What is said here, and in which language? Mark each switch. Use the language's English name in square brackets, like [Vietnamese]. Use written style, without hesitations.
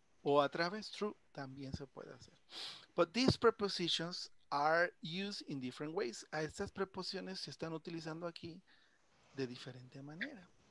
[Spanish] O a través, true, también se puede hacer. [English] But these prepositions are used in different ways. [Spanish] A estas preposiciones se están utilizando aquí de diferente manera.